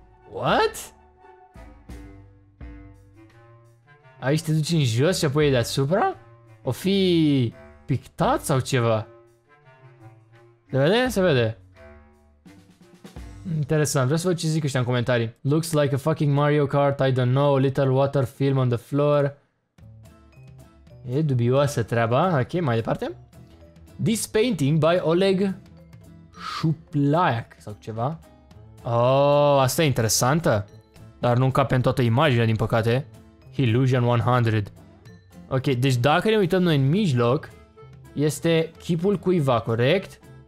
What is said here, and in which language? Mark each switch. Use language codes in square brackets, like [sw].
[en] What? [ro] Aici te duci în jos și apoi e deasupra? O fi... pictat sau ceva? Se vede? Se vede. Interesant, vreau să văd ce zic ăștia în comentarii. [en] Looks like a fucking Mario Kart, I don't know, little water film on the floor. [ro] E dubioasă treaba, ok, mai departe. [en] This painting by Oleg Shuplayak [ro] sau ceva. Oh, asta e interesantă. Dar nu încape în toată imaginea, din păcate. Illusion 100. Ok, deci dacă ne uităm noi în mijloc, este chipul cuiva, corect?